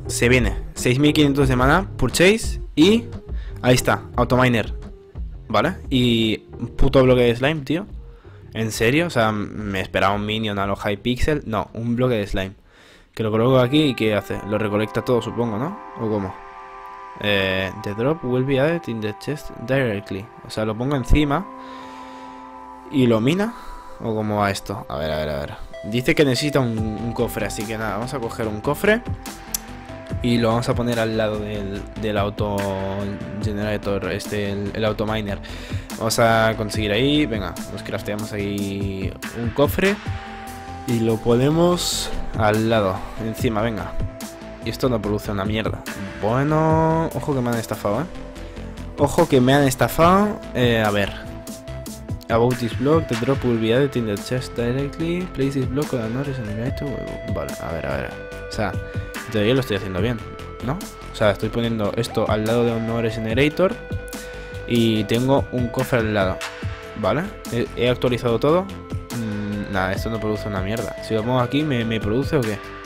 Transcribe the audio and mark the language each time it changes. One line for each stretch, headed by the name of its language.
Spanish: 6.500 de maná, purchase y ahí está, autominer. ¿Vale? Y un puto bloque de slime, tío. ¿En serio? O sea, me esperaba un minion a lo Hypixel. No, un bloque de slime. Que lo coloco aquí y ¿qué hace? Lo recolecta todo, supongo, ¿no? ¿O cómo?
English: The drop will be added in the chest directly.
Spanish: O sea, lo pongo encima. ¿Y lo mina? ¿O cómo va esto? A ver. Dice que necesita un cofre, así que nada, vamos a coger un cofre. Y lo vamos a poner al lado del auto generator, este, el auto miner. Vamos a conseguir ahí, venga, nos crafteamos ahí un cofre. Y lo ponemos al lado, encima, venga. Y esto no produce una mierda. Bueno, ojo que me han estafado, ¿eh? Ojo que me han estafado, a ver.
English: About this block, the drop will be added in the chest directly. Place this block on the notice and ignite to...
Spanish: Vale, a ver. O sea... Yo lo estoy haciendo bien, ¿no? O sea, estoy poniendo esto al lado de Honores Generator y tengo un cofre al lado, ¿vale? He actualizado todo. Nada, esto no produce una mierda. Si lo pongo aquí, ¿me produce o qué?